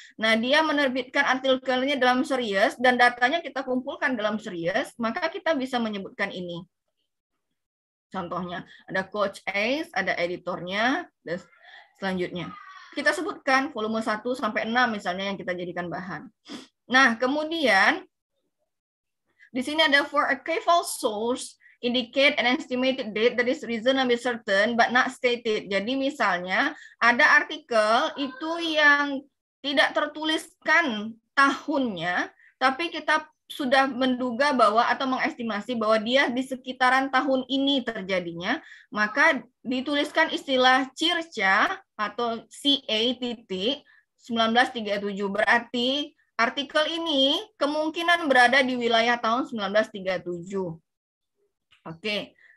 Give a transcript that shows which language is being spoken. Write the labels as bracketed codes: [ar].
[id] Nah, dia menerbitkan artikelnya dalam series, dan datanya kita kumpulkan dalam series, maka kita bisa menyebutkan ini. Contohnya, ada Coach Ace, ada editornya, dan selanjutnya. Kita sebutkan volume 1 sampai 6 misalnya yang kita jadikan bahan. Nah, kemudian, di sini ada [en] for a careful source, indicate an estimated date that is reasonably certain but not stated. [id] Jadi misalnya ada artikel itu yang tidak tertuliskan tahunnya, tapi kita sudah menduga bahwa atau mengestimasi bahwa dia di sekitaran tahun ini terjadinya, maka dituliskan istilah CIRCA atau CA titik 1937, berarti artikel ini kemungkinan berada di wilayah tahun 1937. Oke.